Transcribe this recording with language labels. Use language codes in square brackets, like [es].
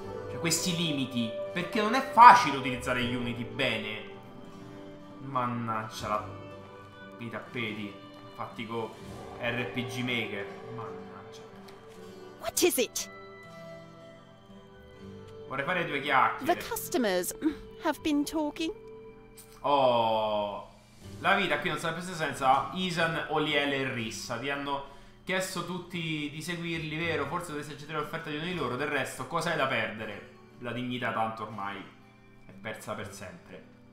[it] Cioè, questi limiti. Perché non è facile utilizzare Unity bene. Mannaggia la. I tappeti. Fatti con RPG Maker. Mannaggia. [en] What is it? [it] Vorrei fare due chiacchiere. [en] The customers have been talking. Oh. [it] La vita qui non sarebbe stata senza Ethan, Oliel e Rissa. Ti hanno chiesto tutti di seguirli, vero? Forse dovresti accettare l'offerta di uno di loro. Del resto, cosa hai da perdere? La dignità tanto ormai è persa per sempre.